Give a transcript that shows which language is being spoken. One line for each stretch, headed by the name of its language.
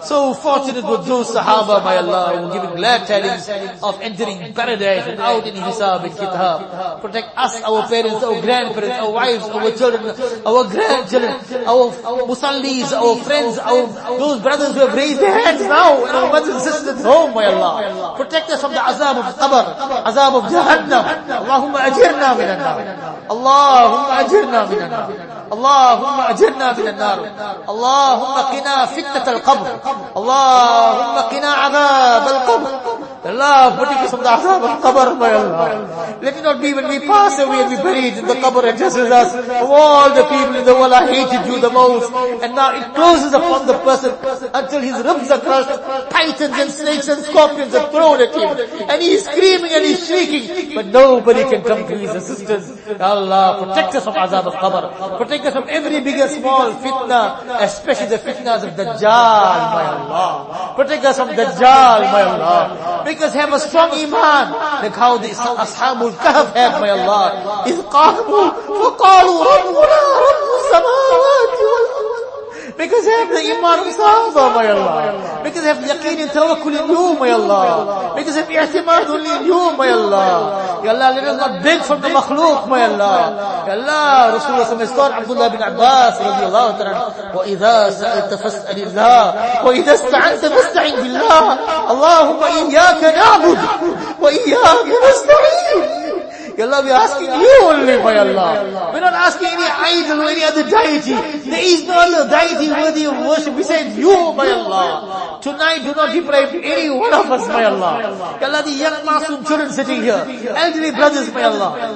English: So fortunate with those Sahaba, my Allah, who give glad tidings of entering paradise without any hisab and kitab. Protect us, our parents, our grandparents, our wives, our children, our grandchildren, our musallis, our friends, our those brothers who have raised their hands now, and our mothers and sisters at home, my Allah. Protect us from the azab of qabr, azab of jahannam.
Arabic: Allahumma ajirna min an-nar. اللهم أجرنا من النار اللهم أجرنا من النار اللهم قنا فتنة القبر اللهم قنا عذاب القبر
English: Allah, put it from the azab of qabr, my Allah. Let it not be when we pass away and we buried in the qabr and just as us. Of all the people in the world, I hated you the most. And now it closes upon the person until his ribs are crushed. Titans and snakes and scorpions are thrown at him. And he is screaming and he is shrieking. But nobody can come to his assistance. Allah, protect us from azab of qabr. Protect us from every big and small fitna, especially the fitnas of Dajjal, my Allah. Protect us from Dajjal, my Allah. Make us have a strong iman. Like how the Ashabul Kahf have, my Allah.
Arabic: Is qalu faqalu rabbuna rabbu samawati wal ard.
English: Make us have the iman of Sahaba, my Allah. Make us have yaqeen and tawakkul in you, my Allah. Make us have i'timad only in you, my Allah. Ya Allah, let us not beg from the makhluk, my Allah. Ya Allah, Rasulullah SAW has taught Abdullah bin Abbas, radiallahu ta'ala,
Arabic: وَإِذَا سَأَلْتَ فَاسْأَلِ اللَّهِ وَإِذَا اسْتَعَنْتَ فَاسْتَعِنْ بِاللَّهِ اللَّهُمَّ إِيَّاكَ نَعْبُدُ وَإِيَّاكَ نَسْتَعِينُ.
English: Ya Allah, we are asking you only, my Allah. We're not asking any idol or any other deity. There is no other deity worthy of worship besides you, my Allah. Tonight, do not deprive any one of us, my Allah. Ya Allah, the young masoom children sitting here, elderly brothers, my Allah.